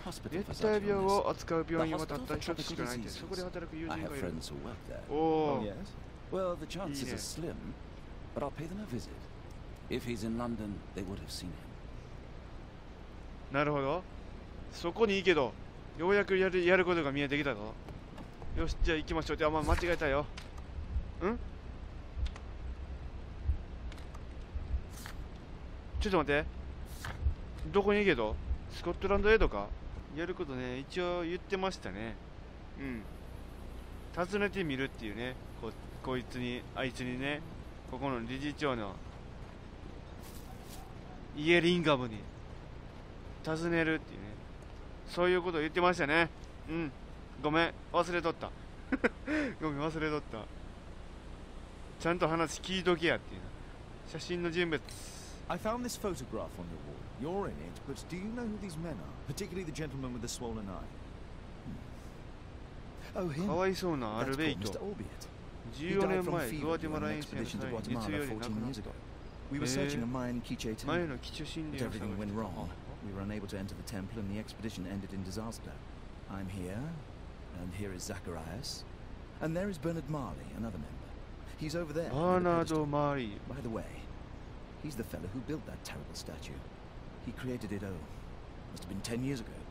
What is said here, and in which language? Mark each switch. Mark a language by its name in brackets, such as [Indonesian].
[Japanese] 熱帯病を扱う病院はたった一つしかないんです。そこで働く友人がいる。おお。 [English] Well, the chances are slim, but I'll pay them a visit. If he's in London, they would have seen him. なるほど。 [Japanese] そこにいいけど、ようやくやることが見えてきたぞ。よし、じゃあ行きましょう。あ、まあ、間違えたよ。ん？ちょっと待って、どこに行けと、スコットランドエイドか。やることね、一応言ってましたね。うん、訪ねてみるっていうね、 こいつにあいつにね、ここの理事長のイエリンガムに訪ねるっていうね、そういうことを言ってましたね。うん、ごめん忘れとったごめん忘れとった。ちゃんと話聞いとけやっていう。写真の人物、 [English] I found this photograph on the wall. You're in it, but do you know who these men are? Particularly the gentleman with the swollen eye. Oh, him. [Japanese] かわいそうなアルベイト。14年前、グアテマラ遠征の際に密輸で亡くなった。前の基地診療を探して。 [English] But everything went wrong. We were unable to enter the temple, and the expedition ended in disaster. I'm here, and here is Zacharias, and there is Bernard Marley, another member. He's over there. Bernard Marley. By the way. He's the fellow who built that terrible statue. He created it, must have been 10 years ago.